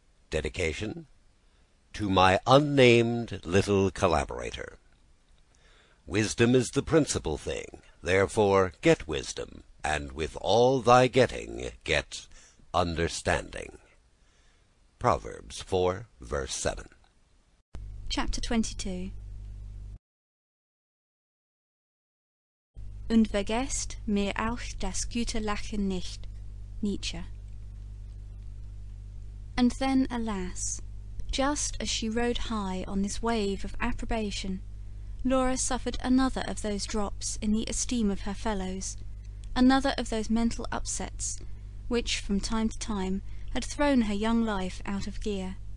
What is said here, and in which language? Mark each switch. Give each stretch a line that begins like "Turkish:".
English: Dedication to my unnamed little collaborator. Wisdom is the principal thing, therefore get wisdom, and with all thy getting get understanding. Proverbs 4, verse 7. Chapter 22
German: Und vergesst mir auch das gute Lachen nicht. Nietzsche.
English: And then, alas, just as she rode high on this wave of approbation, Laura suffered another of those drops in the esteem of her fellows, another of those mental upsets, which, from time to time, had thrown her young life out of gear.